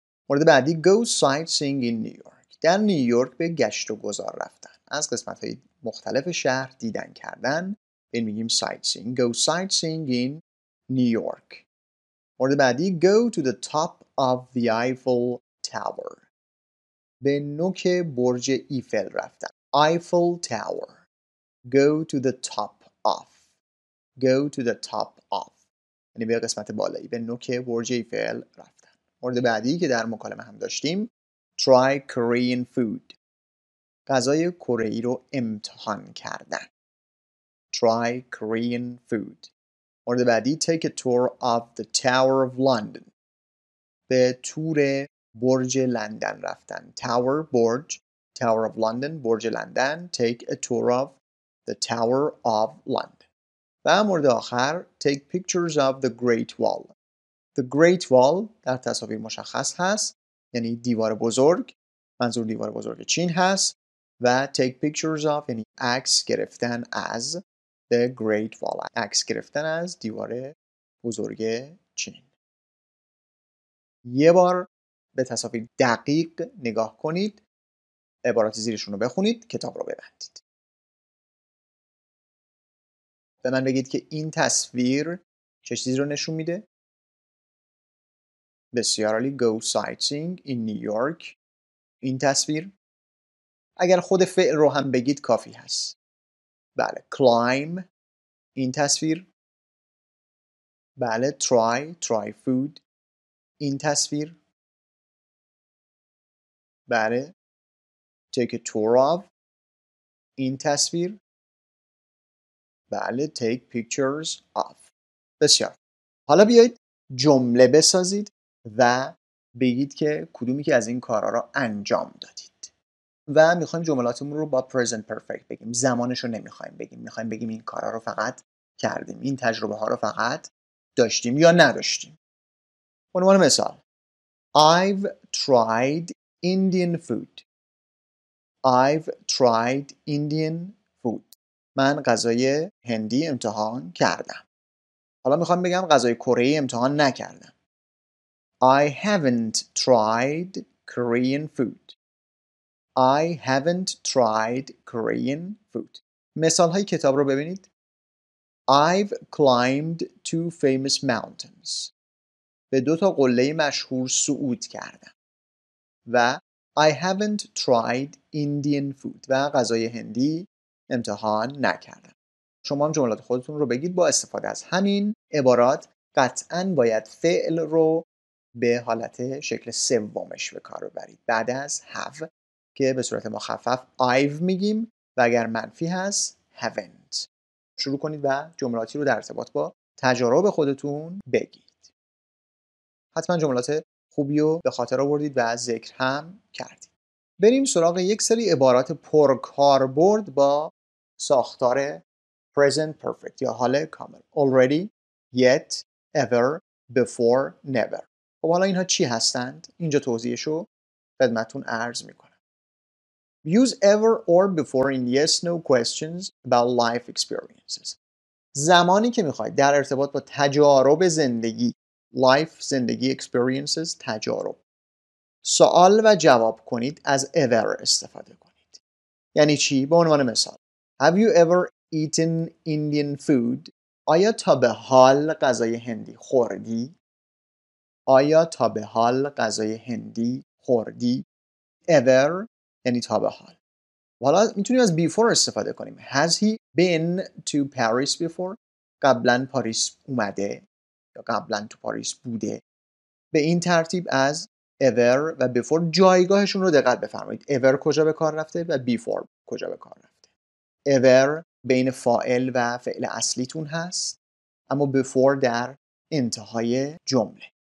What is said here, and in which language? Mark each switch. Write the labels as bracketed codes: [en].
[fa] مورد بعدی [en] Go sightseeing in New York. [fa] در نیویورک به گشت و گذار رفتن. از قسمت‌های مختلف شهر دیدن کردن. این میگیم sightseeing. [en] Go sightseeing in New York. [fa] مورد بعدی [en] Go to the top of the Eiffel Tower. [fa] به نوک برج ایفل رفتن. Eiffel Tower. [en] Go to the top of. Go to the top of. [fa] یعنی به قسمت بالایی. به نوک برج ایفل رفتن. مورد بعدی که در مکالمه هم داشتیم. [en] Try Korean food. [fa] غذای کره‌ای رو امتحان کردن. [en] Try Korean food. [fa] مورد بعدی. [en] Take a tour of the Tower of London. [fa] به تور برج لندن رفتن. Tower, برج. [en] Tower of London, [fa] برج لندن. [en] Take a tour of the Tower of London. [fa] و مورد آخر, [en] take pictures of the Great Wall. [fa] The Great Wall در تصاویر مشخص هست. یعنی دیوار بزرگ. منظور دیوار بزرگ چین هست. و [en] take pictures of, [fa] یعنی عکس گرفتن از the Great Wall. عکس گرفتن از دیوار بزرگ چین. یه بار به تصاویر دقیق نگاه کنید، عبارات زیرشون رو بخونید، کتاب رو ببندید. به من بگید که این تصویر چه چیزی رو نشون میده؟ بسیار عالی، [en] go sightseeing in New York. [fa] این تصویر. اگر خود فعل رو هم بگید کافی هست. بله، climb. این تصویر. [en] بله، try food. [fa] این تصویر. بله. [en] Take a tour of. [fa] این تصویر. بله. [en] Take pictures of. [fa] بسیار. حالا بیایید جمله بسازید و بگید که کدومی که از این کارا را انجام دادید. و میخوایم جملاتمون رو با present perfect بگیم. زمانش رو نمیخوایم بگیم. میخوایم بگیم این کارا رو فقط کردیم. این تجربه ها رو فقط داشتیم یا نداشتیم. [en] به عنوان مثال. I've tried Indian food. I've tried Indian food. [fa] من غذای هندی امتحان کردم. حالا میخوام بگم غذای کره‌ای امتحان نکردم. [en] I haven't tried Korean food. I haven't tried Korean food. [fa] مثال های کتاب رو ببینید. [en] I've climbed two famous mountains. [fa] به دو تا قله مشهور صعود کردم. [en] و I haven't tried Indian food. [fa] و غذای هندی امتحان نکردم. شما هم جملات خودتون رو بگید با استفاده از همین عبارات. قطعاً باید فعل رو به حالت شکل سومش به کار ببرید. بعد از have که به صورت مخفف I've میگیم و اگر منفی هست haven't. شروع کنید و جملاتی رو در ارتباط با تجارب خودتون بگید. حتما جملات خوبیو به خاطر آوردید و ذکر هم کردید. بریم سراغ یک سری عبارات پرکاربرد با ساختار present perfect یا حال کامل. [en] Already, yet, ever, before, never. [fa] خب حالا اینها چی هستند؟ اینجا توضیحشو خدمتتون عرض میکنم. [en] Use ever or before in yes no questions about life experiences. [fa] زمانی که میخواید در ارتباط با تجارب زندگی life زندگی experiences تجارب سوال و جواب کنید از ever استفاده کنید. یعنی چی؟ به عنوان مثال [en] Have you ever eaten Indian food? [fa] آیا تا به حال غذای هندی خوردی؟ آیا تا به حال غذای هندی خوردی؟ ever یعنی تا به حال. حالا میتونیم از before استفاده کنیم. [en] Has he been to Paris before؟ [fa] قبلا پاریس اومده؟ قبلن تو پاریس بوده. به این ترتیب از ever و before جایگاهشون رو دقت بفرمایید. ever کجا به کار رفته و before کجا به کار رفته. ever بین فاعل و فعل اصلیتون هست، اما before در انتهای جمله.